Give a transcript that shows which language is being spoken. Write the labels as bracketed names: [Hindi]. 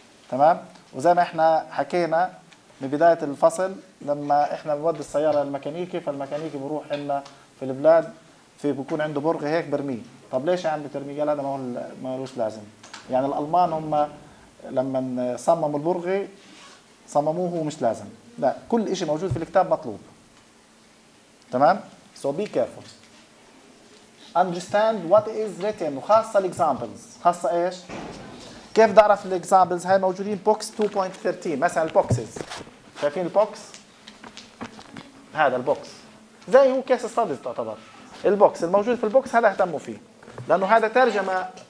[Arabic] تمام؟ وزي ما احنا حكينا من بدايه الفصل، لما احنا بنودي السياره للميكانيكي، فالميكانيكي بروح عندنا في البلاد، في بكون عنده برغ هيك برميه. طب ليش عم بترميه؟ قال هذا ما لوش لازم. يعني الالمان هم لما صمموا البرغي صمموه ومش لازم. لا، كل شيء موجود في الكتاب مطلوب. تمام؟ [English] So be careful. Understand what is written، [Arabic] وخاصة الاكزامبلز. خاصة ايش؟ كيف تعرف الاكزامبلز؟ هاي موجودين بوكس 2.13 مثلا. البوكسز شايفين البوكس؟ هذا البوكس زي هو كيس ستاديز تعتبر. البوكس الموجود في البوكس هذا اهتموا فيه، لانه هذا ترجمة.